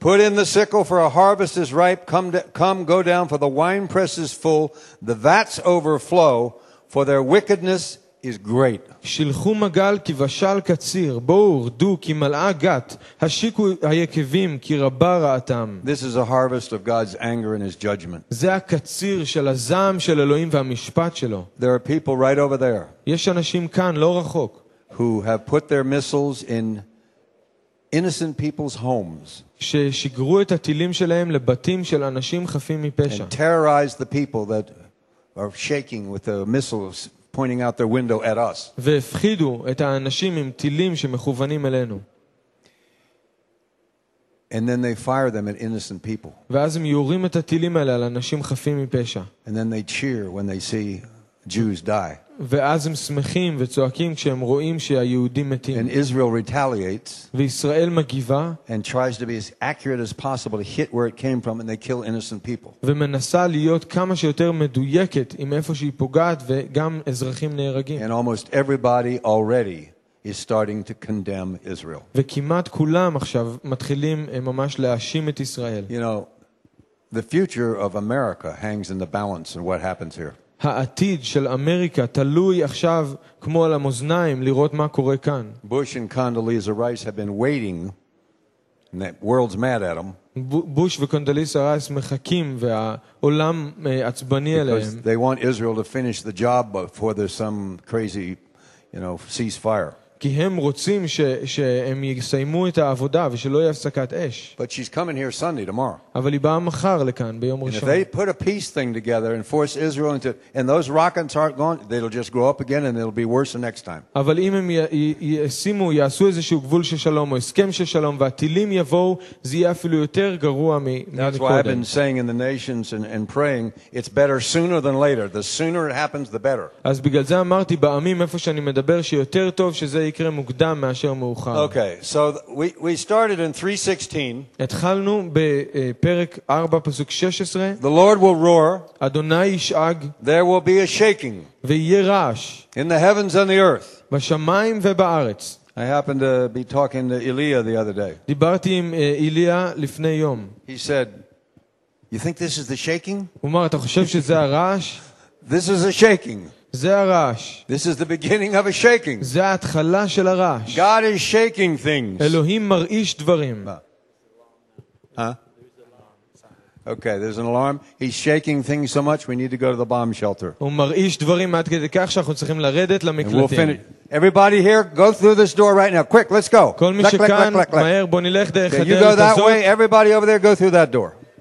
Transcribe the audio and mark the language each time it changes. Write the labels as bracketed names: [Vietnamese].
[English] Put in the sickle for a harvest is ripe, come go down for the wine press is full, the vats overflow for their wickedness is great. [Hebrew] שלחו מגל כי בשל קציר, בואו רדו כי מלאה גת, השיקו היקבים כי רבה רעתם. [English] This is a harvest of God's anger and his judgment. [Hebrew] זה הקציר של הזעם של אלוהים והמשפט שלו. [English] There are people right over there. [Hebrew] יש אנשים כאן לא רחוק. [English] Who have put their missiles in innocent people's homes. [Hebrew] ששיגרו את הטילים שלהם לבתים של אנשים חפים מפשע. [English] And terrorized the people that are shaking with their missiles pointing out their window at us. [Hebrew] והפחידו את האנשים עם טילים שמכוונים אלינו. [English] And then they fire them at innocent people. [Hebrew] ואז הם יורים את הטילים האלה על אנשים חפים מפשע. [English] And then they cheer when they see Jews die. [Hebrew] ואז הם שמחים וצועקים כשהם רואים שהיהודים מתים. [English] And Israel retaliates. [Hebrew] וישראל מגיבה. [English] And tries to be as accurate as possible to hit where it came from and they kill innocent people. [Hebrew] ומנסה להיות כמה שיותר מדויקת עם איפה שהיא פוגעת וגם אזרחים נהרגים. [English] And almost everybody already is starting to condemn Israel. [Hebrew] וכמעט כולם עכשיו מתחילים ממש להאשים את ישראל. [English] You know, the future of America hangs in the balance and what happens here. [Hebrew] העתיד של אמריקה תלוי עכשיו כמו על המאזניים לראות מה קורה כאן. [English] Bush and Condoleezza Rice have been waiting and the world's mad at them. [Hebrew] Bush וקונדליסה רייס מחכים והעולם עצבני עליהם. [English] They want Israel to finish the job before there's some crazy, you know, ceasefire. [Hebrew] כי הם רוצים שהם יסיימו את העבודה ושלא יהיה הפסקת אש. [English] But she's coming here Sunday tomorrow. [Hebrew] אבל היא באה מחר לכאן ביום ראשון. [English] And if they put a peace thing together and force Israel into and those rockets aren't gone, they'll just grow up again and it'll be worse the next time. [Hebrew] אבל אם הם ישימו יעשו איזשהו גבול של שלום או הסכם של שלום והטילים יבואו, זה יהיה אפילו יותר גרוע מקודם. [English] That's why I've been saying in the nations and praying it's better sooner than later. The sooner it happens the better. [Hebrew] אז בגלל זה אמרתי בעמים איפה שאני מדבר שיותר טוב שזה יקרה מוקדם מאשר מאוחר. [English] Okay, so we started in 3:16. [Hebrew] התחלנו בפרק 4 פסוק 16. [English] The Lord will roar. [Hebrew] אדוני ישאג. [English] There will be a shaking. [Hebrew] ויהיה רעש. [English] In the heavens and the earth. [Hebrew] בשמיים ובארץ. [English] I happened to be talking to Elijah the other day. [Hebrew] דיברתי עם אליה לפני יום. [English] He said, "You think this is the shaking?" [Hebrew] הוא אמר, "אתה חושב שזה הרעש?" [English] This is a shaking. [Hebrew] זה הרעש. [English] This is the beginning of a shaking. [Hebrew] זה ההתחלה של הרעש. [English] God is shaking things. [Hebrew] אלוהים מרעיש דברים. [English] Okay, there's an alarm. He's shaking things so much we need to go to the bomb shelter. [Hebrew] הוא מרעיש דברים עד כדי כך שאנחנו צריכים לרדת למקלטים. [English] Everybody here, go through this door right now. Quick, let's go. [Hebrew] כל מי שכאן, מהר, בוא נלך דרך הדלת הזאת. [English] You go that way, everybody over there, go through that door.